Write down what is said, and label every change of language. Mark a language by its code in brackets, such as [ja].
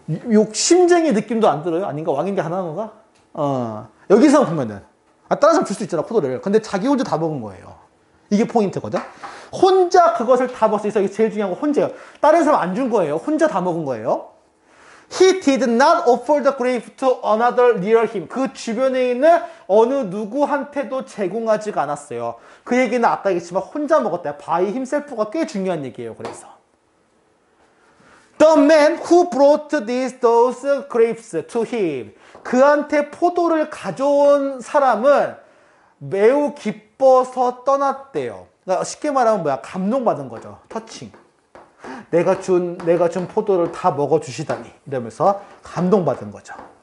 [ko] 욕심쟁이 느낌도 안 들어요? 아닌가? 왕인 게 하나인 건가? 여기서 보면은 다른 사람 줄 수 있잖아 포도를. 근데 자기 혼자 다 먹은 거예요. 이게 포인트거든. 혼자 그것을 다 먹었어. 이게 제일 중요한 거 혼자요. 다른 사람 안 준 거예요. 혼자 다 먹은 거예요. [en] He did not offer the grape to another near him. [ko] 그 주변에 있는 어느 누구한테도 제공하지가 않았어요. 그 얘기는 아까 얘기했지만 혼자 먹었다. [en] By himself [ko] 가 꽤 중요한 얘기예요. 그래서 [en] The man who brought those grapes to him. [ko] 그한테 포도를 가져온 사람은 매우 기뻐서 떠났대요. 그러니까 쉽게 말하면 뭐야? 감동받은 거죠. 터칭. 내가 준 포도를 다 먹어주시다니. 이러면서 감동받은 거죠.